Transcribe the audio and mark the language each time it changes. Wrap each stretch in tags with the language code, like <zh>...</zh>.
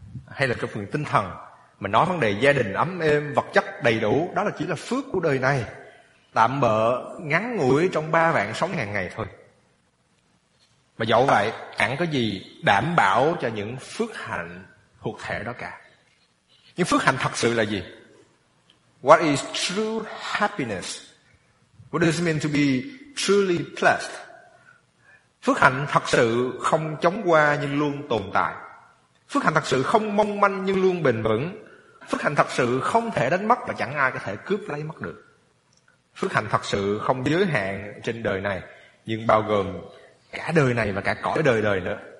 <vi>Hay là trong phương tinh thần? Mà nói vấn đề gia đình ấm êm, vật chất đầy đủ, đó là chỉ là phước của đời này, tạm bợ ngắn ngủi trong ba vạn sống hàng ngày thôi. Mà dẫu vậy, chẳng có gì đảm bảo cho những phước hạnh thuộc thể đó cả. Nhưng phước hạnh thật sự là gì?</vi> <en>What is true happiness? What does it mean to be truly blessed?</en> <vi>Phước hạnh thật sự không chóng qua nhưng luôn tồn tại. Phước hạnh thật sự không mong manh nhưng luôn bền vững. Phước hạnh thật sự không thể đánh mất và chẳng ai có thể cướp lấy mất được. Phước hạnh thật sự không giới hạn trên đời này nhưng bao gồm cả đời này và cả cõi đời đời nữa.</vi>